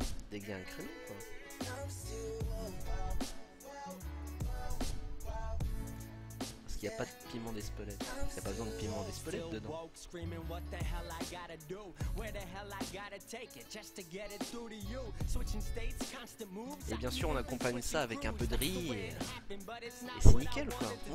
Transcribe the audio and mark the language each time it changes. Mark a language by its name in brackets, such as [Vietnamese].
[French] Dès qu'il y a un créneau, quoi. Y a pas de piment d'Espelette. Y a pas besoin de piment d'Espelette dedans. [English] Woke, screaming, what the hell I gotta do? Where the hell I gotta take it? Just to get it through to you. Switching states, constant moves. [French] Et bien sûr, on accompagne ça avec un peu de riz. Et c'est nickel, quoi.